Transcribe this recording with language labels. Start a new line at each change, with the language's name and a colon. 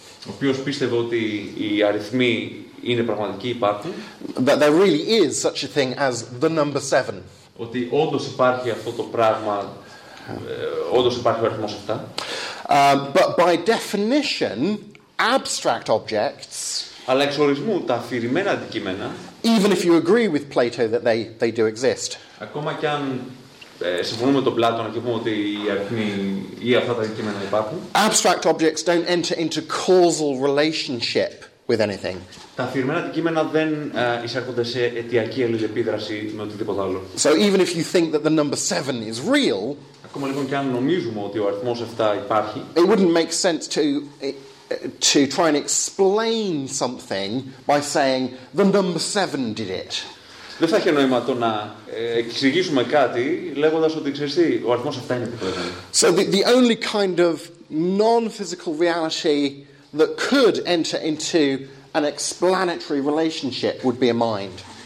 Greek: Ο οποίος πίστευε ότι οι αριθμοί είναι πραγματικοί, υπάρχουν.
English: That there really is such a thing as the number 7.
Greek: Ότι όντως υπάρχει αυτό το πράγμα, όντως υπάρχει ο αριθμός 7.
English: But by definition, abstract objects,
Greek: αλλά εξ ορισμού τα αφηρημένα αντικείμενα,
English: even if you agree with Plato that they do exist,
Greek: ακόμα κι αν συμφωνούμε με τον Πλάτωνα και πούμε ότι οι αριθμοί ή αυτά τα αντικείμενα υπάρχουν.
English: Abstract objects don't enter into causal relationship with anything.
Greek: Τα αφηρημένα αντικείμενα δεν εισέρχονται σε αιτιακή αλληλεπίδραση με οτιδήποτε άλλο.
English: So even if you think that the number 7 is real,
Greek: ακόμα λοιπόν και αν νομίζουμε ότι ο αριθμός 7 υπάρχει,
English: it wouldn't make sense to try and explain something by saying the number 7 did it.
Greek: Δεν θα έχει νόημα το να εξηγήσουμε κάτι λέγοντας ότι ξέρεις τι, ο αριθμός 7 είναι επιπλέον.
English: So the only kind of non-physical reality that could enter into an explanatory relationship would be a mind.